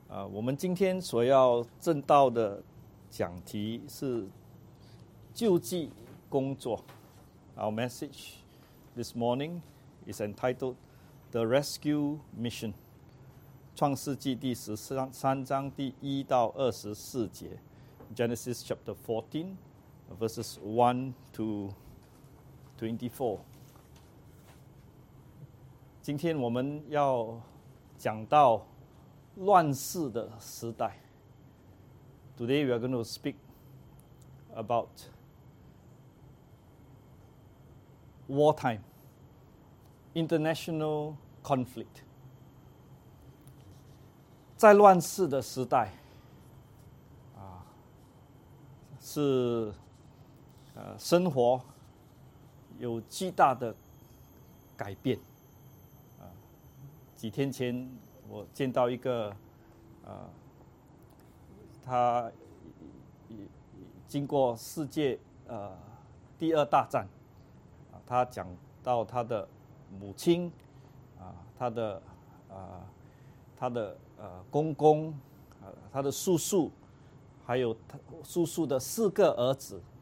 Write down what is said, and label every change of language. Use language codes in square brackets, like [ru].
[zh] 我们今天所要证道的讲题是救济工作。 [en] Our message this morning is entitled The Rescue Mission. [zh] 创世纪第十三章第一到二十四节。 [en] Genesis chapter 14, verses 1 to 24. [zh] 今天我们要讲到乱世的时代。 [en] Today we are going to speak about wartime, international conflict. [zh] 在乱世的时代是生活有巨大的改变。几天前我见到一个他经过世界第二大战，他讲到他的母亲他的公公他的叔叔还有叔叔的四个儿子，